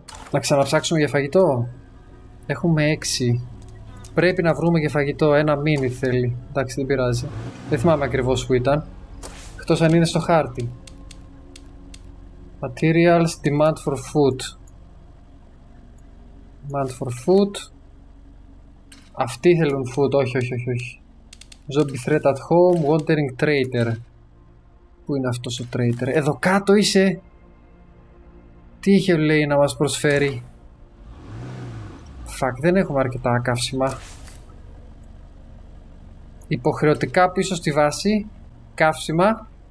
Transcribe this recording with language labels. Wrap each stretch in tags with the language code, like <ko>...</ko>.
<el>Να ξαναψάξουμε για φαγητό. Έχουμε 6. Πρέπει να βρούμε και φαγητό. Ένα μίνι θέλει. Εντάξει, δεν πειράζει. Δεν θυμάμαι ακριβώς που ήταν. Εκτός αν είναι στο χάρτη.</el> <en>Materials, demand for food. Demand for food.</en> <el>Αυτοί θέλουν food. Όχι, όχι, όχι, όχι.</el> <en>Zombie threat at home, wandering traitor.</en> <el>Πού είναι αυτός ο traitor? Εδώ κάτω είσαι! Τι είχε λέει να μας προσφέρει? Fuck, δεν έχουμε αρκετά καύσιμα. Υποχρεωτικά πίσω στη βάση. Καύσιμα.</el>